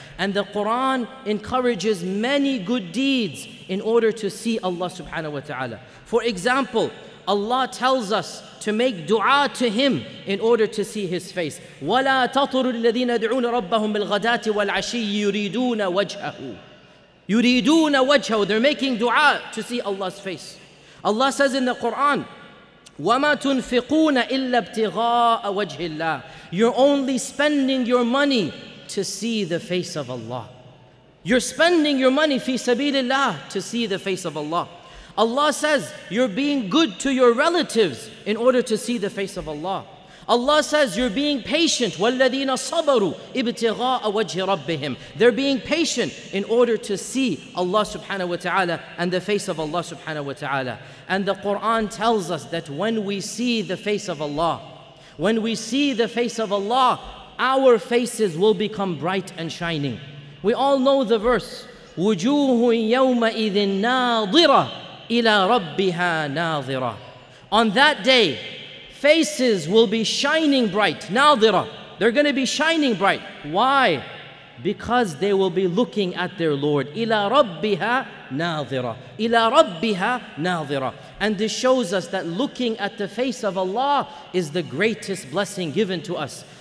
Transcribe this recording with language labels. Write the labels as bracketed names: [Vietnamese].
[English] And the Quran encourages many good deeds in order to see Allah subhanahu wa ta'ala. For example, Allah tells us to make dua to Him in order to see His face. [Arabic] وَلَا تَطُرُ الَّذِينَ يَدْعُونَ رَبَّهُمْ بِالْغَدَاةِ وَالْعَشِيِّ يُرِيدُونَ وَجْهَهُ يُرِيدُونَ وَجْهَهُ. [English] They're making dua to see Allah's face. Allah says in the Quran, [Arabic] وَمَا تُنْفِقُونَ إِلَّا ابْتِغَاءَ وَجْهِ اللَّهِ. [English] You're only spending your money to see the face of Allah. You're spending your money fi sabilillah to see the face of Allah. Allah says, you're being good to your relatives in order to see the face of Allah. Allah says, you're being patient. [Arabic] وَالَّذِينَ صَبَرُوا ابْتِغَاءَ وَجْهِ رَبِّهِمْ. [English] They're being patient in order to see Allah subhanahu wa ta'ala and the face of Allah subhanahu wa ta'ala. And the Quran tells us that when we see the face of Allah, when we see the face of Allah, our faces will become bright and shining. We all know the verse, [Arabic] وُجُوهٌ يَوْمَئِذٍ نَاضِرَةٌ إِلَىٰ رَبِّهَا نَاظِرَةٌ. [English] On that day, faces will be shining bright, نَاظِرَةٌ. They're going to be shining bright. Why? Because they will be looking at their Lord. [Arabic] إِلَىٰ رَبِّهَا نَاظِرَةٌ. إِلَىٰ رَبِّهَا نَاظِرَةٌ. [English] And this shows us that looking at the face of Allah is the greatest blessing given to us.